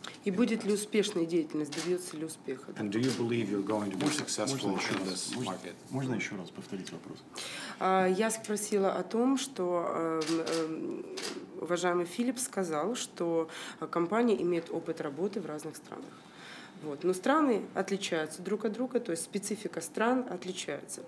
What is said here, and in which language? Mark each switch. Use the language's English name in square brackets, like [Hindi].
[Russian] И будет ли успешная деятельность, добьется ли успеха? [English] And do you believe you're going to be successful in this market? [Russian] Можно еще раз повторить вопрос? Я спросила о том, что уважаемый Филипп сказал, что компания имеет опыт работы в разных странах. Вот. Но страны отличаются друг от друга, то есть специфика стран отличается.